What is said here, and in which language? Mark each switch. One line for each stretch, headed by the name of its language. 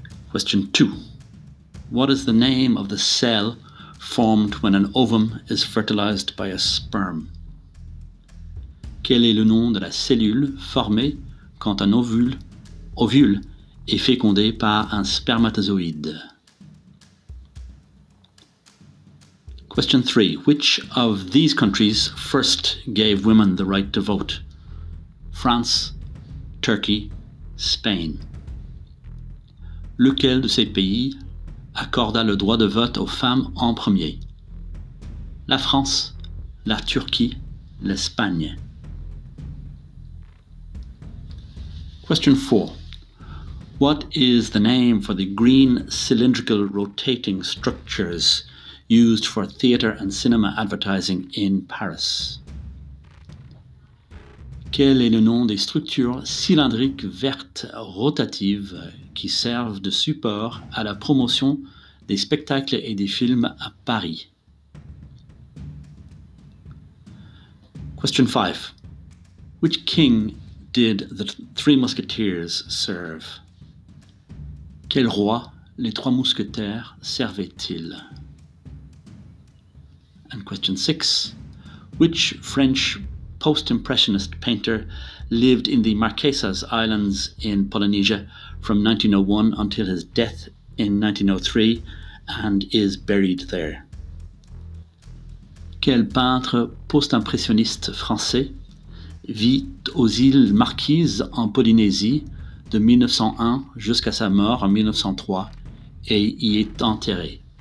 English: Question 2. What is the name of the cell formed when an ovum is fertilized by a sperm?
French: Quel est le nom de la cellule formée quand un ovule est fécondé par un spermatozoïde?
English: Question 3. Which of these countries first gave women the right to vote? France, Turkey, Spain.
French: Lequel de ces pays accorda le droit de vote aux femmes en premier? La France, la Turquie, l'Espagne.
English: Question 4. What is the name for the green cylindrical rotating structures used for theater and cinema advertising in Paris?
French: Quel est le nom des structures cylindriques vertes rotatives qui servent de support à la promotion des spectacles et des films à Paris?
English: Question 5. Which king did the Three Musketeers serve?
French: Quel roi les Trois Mousquetaires servaient-ils?
English: And question 6. Which French post-impressionist painter lived in the Marquesas Islands in Polynesia from 1901 until his death in 1903 and is buried there?
French: Quel peintre post-impressionniste français vit aux îles Marquises en Polynésie de 1901 jusqu'à sa mort en 1903 et y est enterré?